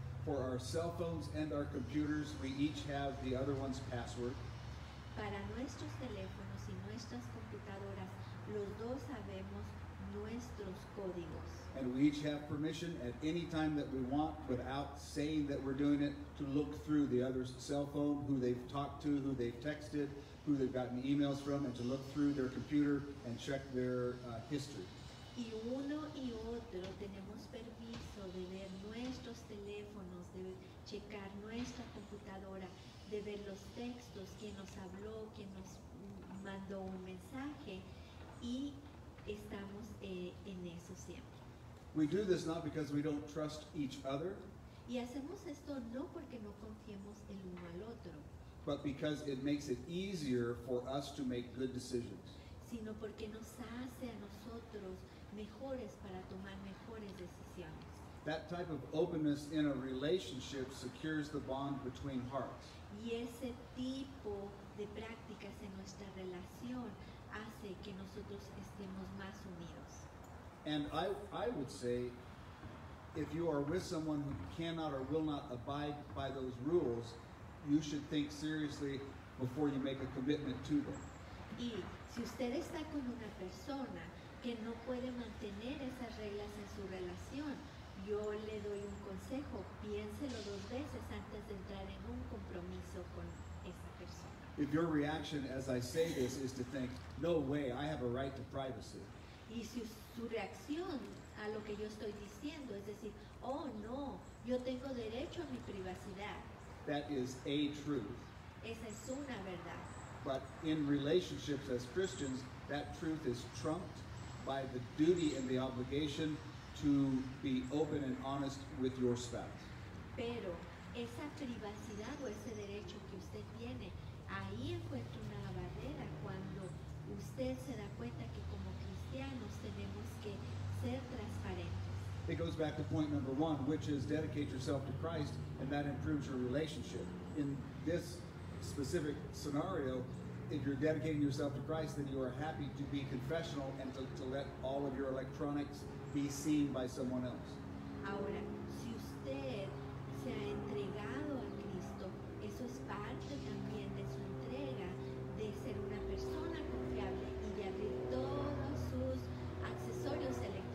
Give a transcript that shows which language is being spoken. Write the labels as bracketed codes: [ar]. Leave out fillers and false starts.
[en] For our cell phones and our computers, we each have the other one's password. [es] Para nuestros teléfonos y nuestras computadoras, los dos sabemos nuestros códigos. [en] And we each have permission at any time that we want, without saying that we're doing it, to look through the other's cell phone, who they've talked to, who they've texted, who they've gotten emails from, and to look through their computer and check their history. [es] Y uno y otro tenemos permiso de ver nuestros teléfonos, de checar nuestra computadora, de ver los textos, quién nos habló, quién nos mandó un mensaje, y estamos en eso siempre. [en] We do this not because we don't trust each other. [es] Y hacemos esto no porque no confiemos el uno al otro. [en] But because it makes it easier for us to make good decisions. [es] Sino porque nos hace a nosotros mejores para tomar mejores decisiones. [en] That type of openness in a relationship secures the bond between hearts. [es] Y ese tipo de prácticas en nuestra relación hace que nosotros estemos más unidos. [en] And I would say, if you are with someone who cannot or will not abide by those rules, you should think seriously before you make a commitment to them. [es] Y si usted está con una persona que no puede mantener esas reglas en su relación, yo le doy un consejo, piénselo dos veces antes de entrar en un compromiso con esa persona. [en] If your reaction as I say this is to think, no way, I have a right to privacy. [es] Y si su reacción a lo que yo estoy diciendo es decir, oh no, yo tengo derecho a mi privacidad. [en] That is a truth. [es] Esa es una verdad. [en] But in relationships as Christians, that truth is trumped by the duty and the obligation to be open and honest with your spouse. [es] Pero esa privacidad o ese derecho que usted tiene, ahí encuentra una barrera cuando usted se da cuenta que como cristianos tenemos que ser transparentes. [en] It goes back to point number one, which is dedicate yourself to Christ, and that improves your relationship. In this specific scenario, if you're dedicating yourself to Christ, then you are happy to be confessional and to let all of your electronics be seen by someone else. [es] Ahora, si usted se ha entregado a Cristo, eso es parte también de su entrega, de ser una persona confiable y de abrir todos sus accesorios electrónicos.